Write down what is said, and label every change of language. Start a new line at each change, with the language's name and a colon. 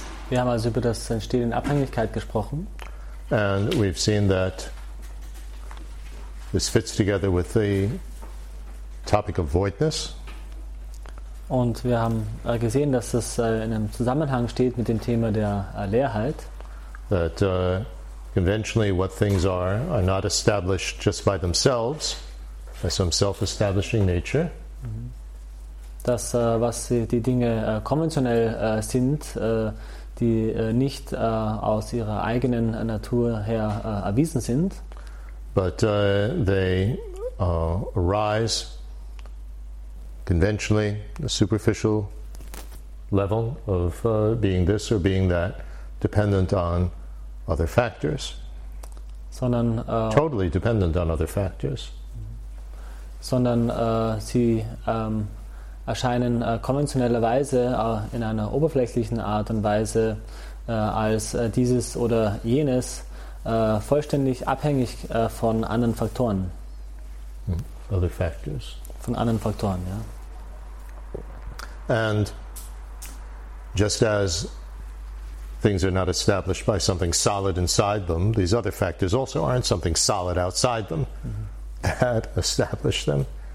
German: Wir haben also über das Entstehen in Abhängigkeit gesprochen.
English: And we've seen that this fits together with the topic of voidness.
German: Und wir haben gesehen, dass das in einem Zusammenhang steht mit dem Thema der Leerheit.
English: That conventionally what things are not established just by themselves, by some self-establishing nature.
German: Dass was die Dinge konventionell sind, die nicht aus ihrer eigenen Natur her erwiesen sind.
English: But they arise conventionally, a superficial level of being this or being that, dependent on other factors.
German: Sondern,
English: totally dependent on other factors.
German: Sondern sie erscheinen konventionellerweise in einer oberflächlichen Art und Weise als dieses oder jenes vollständig abhängig von anderen Faktoren.
English: Other factors.
German: Von anderen Faktoren, ja.
English: And just as things are not established by something solid inside them, these other factors also aren't something solid outside them that establish them.